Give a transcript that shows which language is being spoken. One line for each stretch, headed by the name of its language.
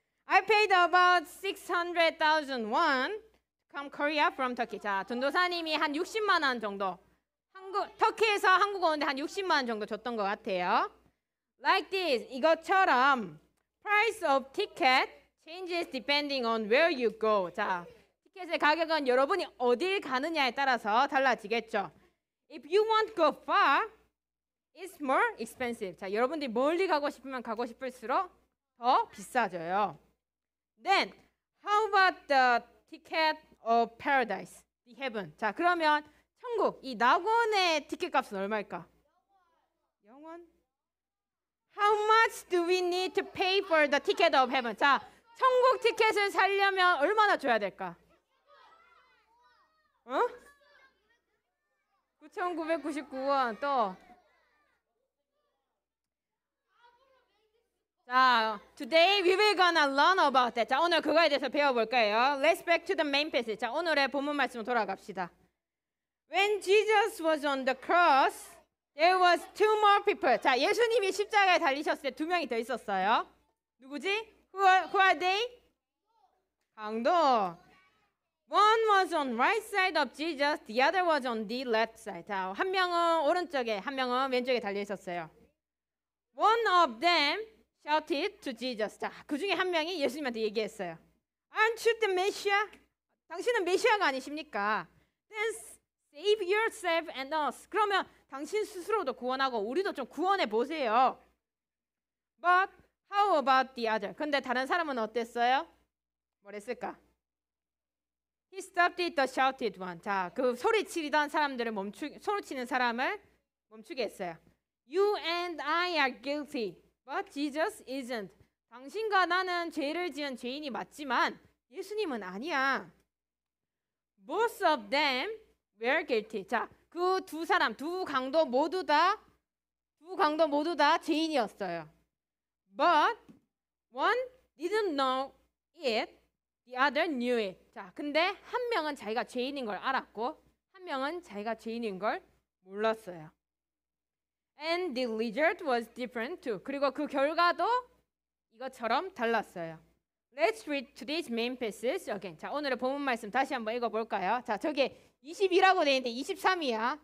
English: I paid about 600,000 won come Korea from Turkey.
Korean: 자, 전도사님이 한 60만 원 정도, 한국, 터키에서 한국 오는데 한 60만 원 정도 줬던 것 같아요.
English: Like this,
Korean: 이것처럼
English: price of ticket changes depending on where you go. 자,
Korean: 티켓의 가격은 여러분이 어디 가느냐에 따라서 달라지겠죠.
English: If you want go far, it's more expensive.
Korean: 자, 여러분들이 멀리 가고 싶으면 가고 싶을수록 더 비싸져요.
English: Then, how about the ticket of paradise, the heaven?
Korean: 자, 그러면 천국, 이 낙원의 티켓값은 얼마일까? 영원?
English: How much do we need to pay for the ticket of heaven?
Korean: 자, 천국 티켓을 사려면 얼마나 줘야 될까? 어? 9,999원 또.
English: 자, today we will gonna learn about that.
Korean: 자, 오늘 그거에 대해서 배워볼 거예요.
English: Let's back to the main passage.
Korean: 자, 오늘의 본문 말씀 돌아갑시다.
English: When Jesus was on the cross, there was two more people.
Korean: 자, 예수님이 십자가에 달리셨을 때 두 명이 더 있었어요. 누구지?
English: Who are they?
Korean: 강도.
English: One was on right side of Jesus, the other was on the left side.
Korean: 자, 한 명은 오른쪽에, 한 명은 왼쪽에 달려 있었어요.
English: One of them shouted to Jesus.
Korean: 자, 그 중에 한 명이 예수님한테 얘기했어요.
English: Aren't you the Messiah?
Korean: 당신은 메시아가 아니십니까?
English: Then save yourself and us.
Korean: 그러면 당신 스스로도 구원하고 우리도 좀 구원해 보세요.
English: But how about the other?
Korean: 근데 다른 사람은 어땠어요? 뭐랬을까?
English: He stopped the shouted one.
Korean: 자, 그 소리치던 사람들을 소리치는 사람을 멈추게 했어요.
English: You and I are guilty, but Jesus isn't.
Korean: 당신과 나는 죄를 지은 죄인이 맞지만 예수님은 아니야.
English: Both of them were guilty.
Korean: 자, 그 두 사람, 두 강도 모두 다 죄인이었어요.
English: But one didn't know it, the other knew it.
Korean: 자, 근데 한 명은 자기가 죄인인 걸 알았고 한 명은 자기가 죄인인 걸 몰랐어요.
English: And the result was different too.
Korean: 그리고 그 결과도 이것처럼 달랐어요.
English: Let's read today's main passage again.
Korean: 자, 오늘의 본문 말씀 다시 한번 읽어볼까요? 자, 저게 22라고 돼 있는데 23이야.